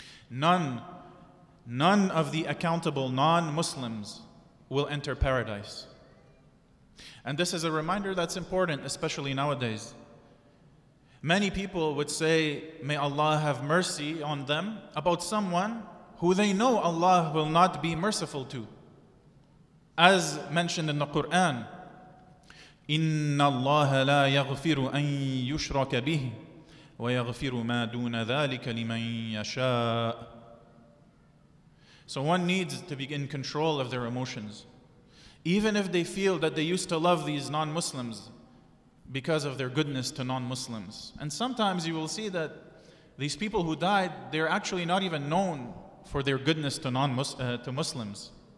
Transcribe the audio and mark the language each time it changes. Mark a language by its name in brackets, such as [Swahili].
[English] None of the accountable non-Muslims will enter paradise. And this is a reminder that's important, especially nowadays. Many people would say, may Allah have mercy on them, about someone who they know Allah will not be merciful to. As mentioned in the Quran, [Arabic] إِنَّ اللَّهَ لَا يَغْفِرُ أَن يُشْرَكَ بِهِ وَيَغْفِرُ مَا دُونَ ذَلِكَ لِمَن يَشَاءُ. [English] So one needs to be in control of their emotions. Even if they feel that they used to love these non-Muslims because of their goodness to non-Muslims. And sometimes you will see that these people who died, they're actually not even known for their goodness to Muslims.